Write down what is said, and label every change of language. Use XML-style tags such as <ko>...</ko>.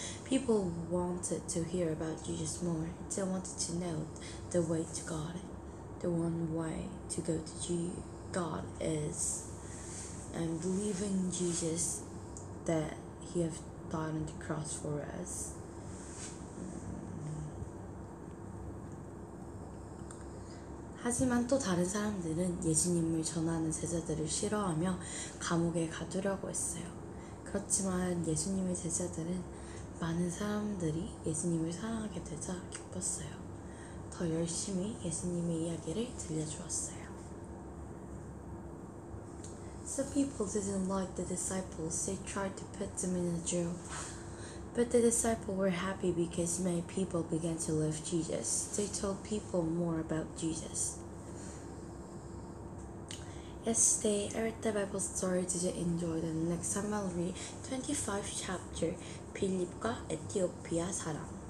<en>People wanted to hear about Jesus more. They wanted to know the way to God. The one way to go to God is believing Jesus that he has died on the cross for us.</en> <ko>Haziman, 또 다른 사람들은 예수님을 전하는 제자들을 싫어하며 감옥에 가두려고 했어요. 그렇지만 예수님의 제자들은 많은 사람들이 예수님을 사랑하게 되자 기뻤어요. 더 열심히 예수님의 이야기를 들려주었어요.</ko> <en>Some people didn't like the disciples. They tried to put them in a jail. But the disciples were happy because many people began to love Jesus. They told people more about Jesus. Yesterday, I read the Bible story. Did you enjoy it? Next time I'll read 25 chapter,</en> <ko>빌립과 에티오피아 사람.</ko>